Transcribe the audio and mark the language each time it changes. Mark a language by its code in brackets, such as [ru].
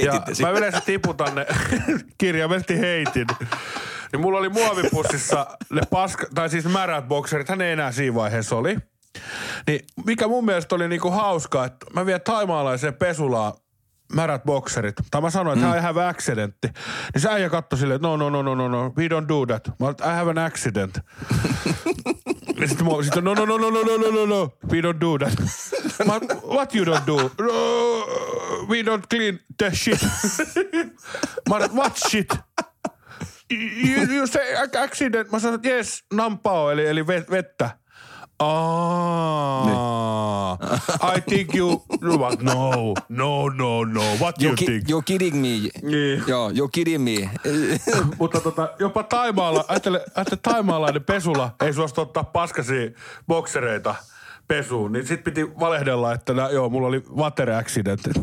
[fi] Ja mä yleensä tiputan ne, kirjaimellisesti heitin. Niin mulla oli muovipussissa ne märät bokserit, hän ei enää siinä vaiheessa oli. Niin mikä mun mielestä oli niinku hauskaa, että mä vien taimaalaiseen pesulaan märät bokserit. Tai mä sanoin, että [en] I have accident. [fi] Niin se äijä katsoi silleen, että no, [en] we don't do that. [fi] Mä olin, [en] I have an accident. [fi] Ja sitten mä olin, no, [en] we don't do that. [fi] Mä olin, [en] what you don't do? No, we don't clean the shit. Mä olin, what shit? You say accident. [fi] Mä sanoin, [en] yes, [th] nampao, [fi] eli vettä. [en] Ah, I think you, but no, what you think? You're kidding me. [fi] Niin. Joo, [en] you're kidding me. [fi] Mutta jopa taimaalla, ajattele taimaalainen pesula ei suostu ottaa paskasia boksereita pesuun, niin sit piti valehdella, että joo, mulla oli [en] water accident.